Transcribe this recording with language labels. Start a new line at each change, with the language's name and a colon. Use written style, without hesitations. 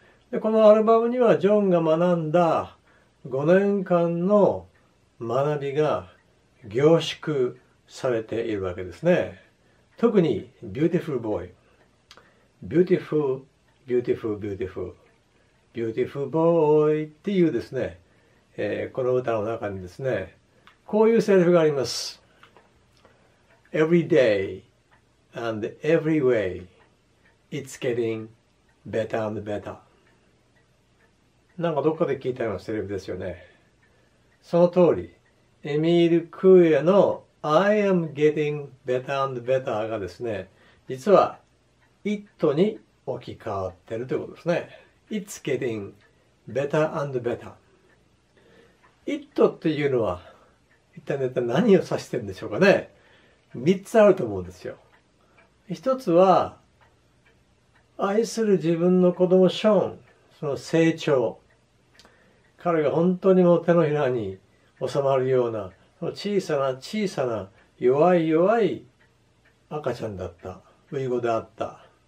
Japanese: で、このアルバムにはジョンが学んだ5年間の学びが凝縮されているわけですね。特に、ビューティフルボーイ。ビューティフル、ビューティフル、ビューティフル。ビューティフルボーイっていうですね、この歌の中にですね、こういうセリフがあります。
English: Every day and every way, it's getting better and better。
Japanese: なんかどっかで聞いたようなセリフですよね。その通り、エミール・クーエの
English: I am getting better and better
Japanese: がですね、実は It に置き換わってるということですね。
English: It's getting better and better。
Japanese: It っていうのは一体何を指してるんでしょうかね。 3つあると思うんですよ。1つは、愛する自分の子供ショーン、その成長。彼が本当にもう手のひらに収まるような、小さな小さな弱い弱い赤ちゃんだった、初産であった。